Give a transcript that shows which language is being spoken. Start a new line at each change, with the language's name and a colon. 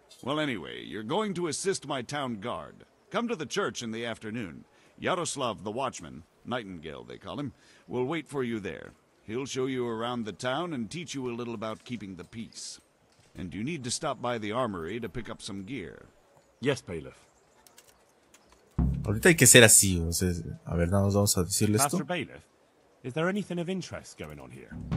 English: Well, anyway, you're going to assist my town guard. Come to the church in the afternoon. Yaroslav, the watchman, Nightingale they call him, will wait for you there. He'll show you around the town and teach you a little about keeping the peace. And you need to stop by the armory to pick up some gear. Yes, Bailiff.
Spanish: Ahorita hay que ser así, o sea, a ver, nada, vamos a decirle esto.
English: Master Bailiff, is there anything of interest going on here?